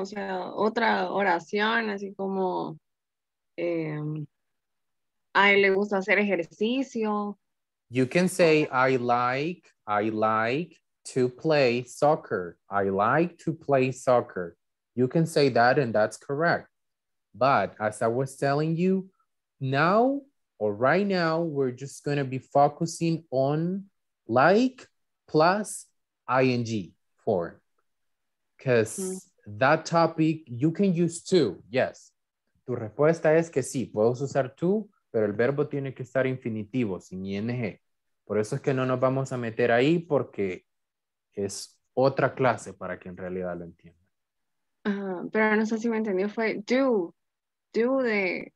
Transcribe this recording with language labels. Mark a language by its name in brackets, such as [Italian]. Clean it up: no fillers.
[Spanish] O sea, otra oración, así como a él le gusta hacer ejercicio. [English] You can say I like to play soccer. I like to play soccer. You can say that and that's correct. But as I was telling you, now or right now, we're just going to be focusing on like plus ing form. Because that topic, you can use to, yes. [Spanish] Tu respuesta es que sí, puedes usar to, pero el verbo tiene que estar infinitivo, sin ing. Por eso es que no nos vamos a meter ahí porque es otra clase para que en realidad lo entienda. Pero no sé si me entendió, fue do de...